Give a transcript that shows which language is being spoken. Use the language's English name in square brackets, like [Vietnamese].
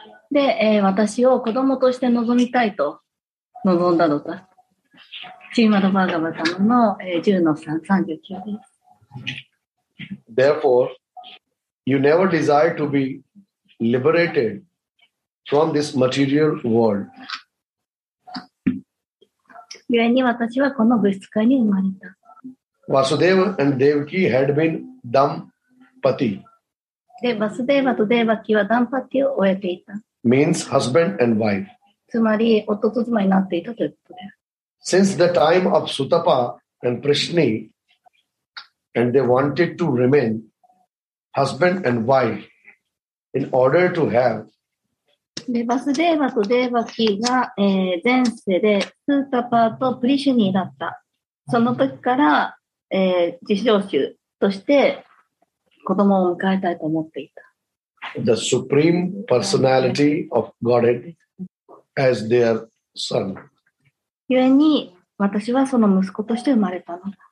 [Japanese] で、私を子供として望みたいと望んだのだ。シーマド・バーガバタムの、10-3:39 です。 [English] Therefore, you never desire to be liberated from this material world. [Japanese] 故に私はこの物質界に生まれた。 [English] Vasudeva and Devaki had been Dampati. [Japanese] で、Vasudeva と Devaki はダンパティを終えていた。 [English] Means husband and wife. [Japanese] つまり、夫と妻になっていたということで。 [English] Since the time of Sutapa and Prishni, and they wanted to remain husband and wife in order to have. [Japanese] で、バスデーバとデーバキが、前世でスータパーとプリシュニーだった。その時から、自称衆として子供を迎えたいと思っていた。 [English] The Supreme Personality of Godhead as their son. [Japanese] ゆえに私はその息子として生まれたのだ。